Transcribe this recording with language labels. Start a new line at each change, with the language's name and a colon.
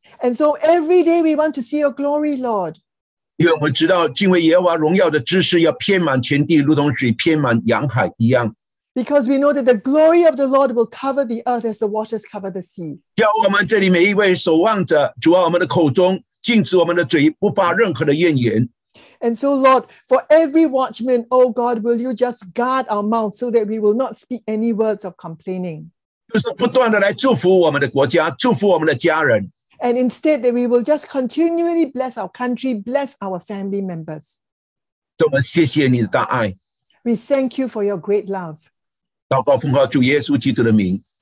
English: And so every day we want to see your glory, Lord.
Chinese: 因为我们知道敬畏耶和华荣耀的知识要遍满全地，如同水遍满洋海一样。
English: Because we know that the glory of the Lord will cover the earth as the waters cover the sea.
Chinese: 叫我们这里每一位守望者，主啊，我们的口中禁止我们的嘴不发任何的怨言。
English: And so, Lord, for every watchman, O God, will you just guard our mouth so that we will not speak any words of complaining?
Chinese: 就是不断的来祝福我们的国家，祝福我们的家人。
English: And instead, that we will just continually bless our country, bless our family members.
Chinese: 我们谢谢你的大爱。
English: We thank you for your great love.
Chinese: 祷告奉靠主耶稣基督的名。